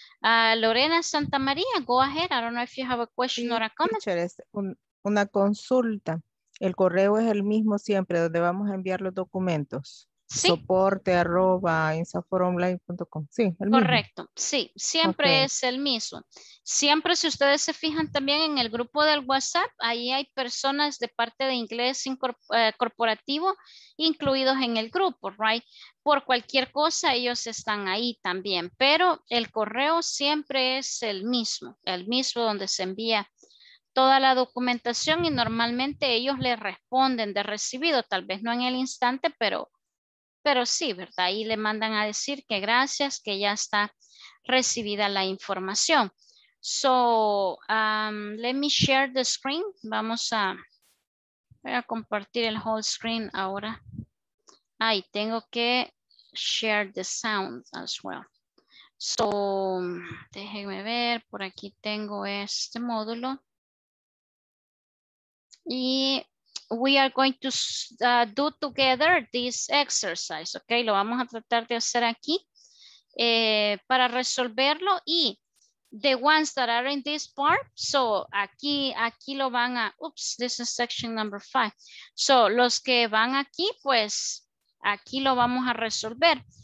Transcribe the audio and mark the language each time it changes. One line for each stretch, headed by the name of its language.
English: Lorena Santa María, go ahead, I don't know if you have a question or a comment.
Spanish: Teacher, es una consulta, el correo es el mismo siempre, donde vamos a enviar los documentos. ¿Sí? soporte@insaforonline.com. Sí, el correcto. Mismo. Sí, siempre okay. Es el mismo. Siempre, si ustedes se fijan también en el grupo del WhatsApp, ahí hay personas de parte de inglés corporativo incluidos en el grupo, right? Por cualquier cosa, ellos están ahí también. Pero el correo siempre es el mismo donde se envía toda la documentación y normalmente ellos le responden de recibido, tal vez no en el instante, pero sí, ¿verdad? Ahí le mandan a decir que gracias, que ya está recibida la información.
English: So, let me share the screen.
Spanish: Voy a compartir el
English: whole screen
Spanish: ahora. Ay, tengo que
English: share the sound as well.
Spanish: So, déjenme ver, por aquí tengo este módulo.
English: Y we are going to do together this exercise, ok,
Spanish: lo vamos a tratar de hacer aquí para resolverlo
English: y the ones that are in this part, so
Spanish: aquí lo van a,
English: oops, this is section number 5, so
Spanish: los que van aquí, pues aquí lo vamos a resolver.